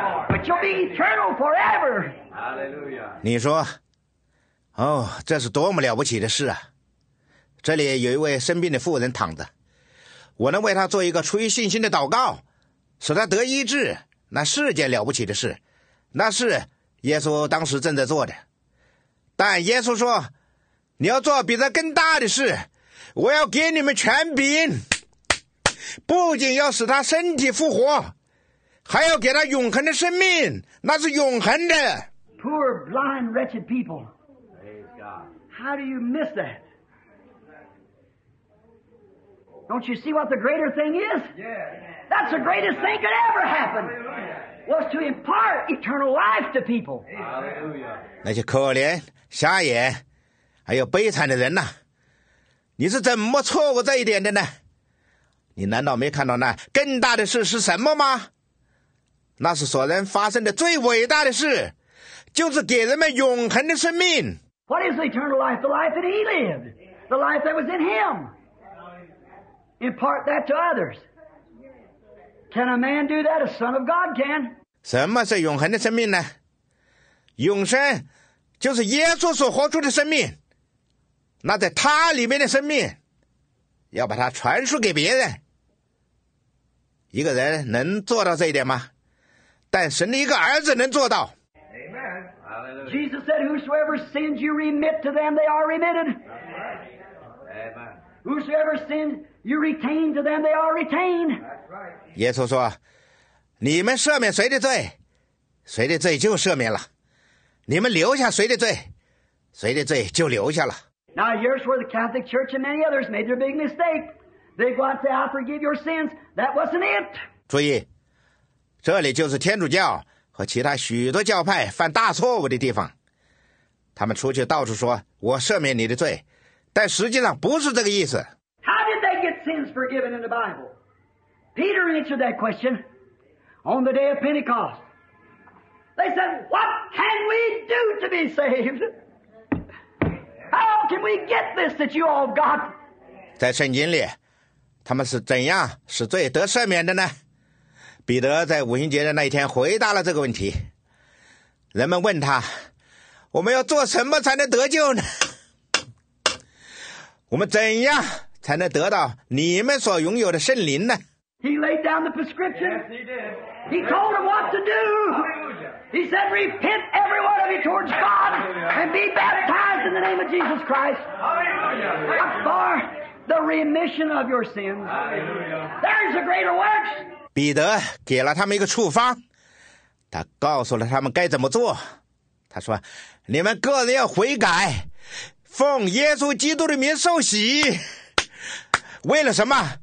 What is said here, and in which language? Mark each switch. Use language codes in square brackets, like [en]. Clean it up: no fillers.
[en] But you'll be eternal forever. Hallelujah. [zh] 你说，哦，这是多么了不起的事啊！这里有一位生病的妇人躺着，我能为他做一个出于信心的祷告，使他得医治，那是件了不起的事，那是耶稣当时正在做的。但耶稣说，你要做比这更大的事，我要给你们权柄，不仅要使他身体复活，还要给他永恒的生命，那是永恒的。 [en] Poor blind wretched people. Praise God. How do you miss that? Don't you see what the greater thing is? Yeah. That's the greatest thing could ever happen. Was to impart eternal life to people. Hallelujah. [zh] 那些可怜瞎眼还有悲惨的人呢、啊、你是怎么错过这一点的呢？你难道没看到那更大的事是什么吗？那是所能发生的最伟大的事，就是给人们永恒的生命。 [en] What is eternal life? The life that he lived, the life that was in him. Impart that to others. Can a man do that? A son of God can. [zh] 什么是永恒的生命呢？永生就是耶稣所活出的生命，那在他里面的生命要把它传输给别人。一个人能做到这一点吗？但神的一个儿子能做到。 [en] Amen. Jesus said, whosoever sins you remit to them, they are remitted. Amen. Whosoever sins you retain to them, they are retained. That's right. [zh] 耶稣说，你们赦免谁的罪，谁的罪就赦免了，你们留下谁的罪，谁的罪就留下了。 [en] Now here's where the Catholic Church and many others made their big mistake. They go out and say, I forgive your sins. That wasn't it. [zh] 注意，这里就是天主教和其他许多教派犯大错误的地方。他们出去到处说，我赦免你的罪，但实际上不是这个意思。 [en] How did they get sins forgiven in the Bible? Peter answered that question on the day of Pentecost. They said, what can we do to be saved? How can we get this that you all got? [zh] 在圣经里，他们是怎样使罪得赦免的呢？彼得在五旬节的那一天回答了这个问题。人们问他，我们要做什么才能得救呢？我们怎样才能得到你们所拥有的圣灵呢？ [en] He laid down the prescription. Yes, he did. He told them what to do. He said, repent every one of you towards God and be baptized in the name of Jesus Christ. Hallelujah. For the remission of your sins. Hallelujah. There is a greater works. [zh] 彼得给了他们一个处方，他告诉了他们该怎么做。他说，你们个人要悔改，奉耶稣基督的名受洗，为了什么？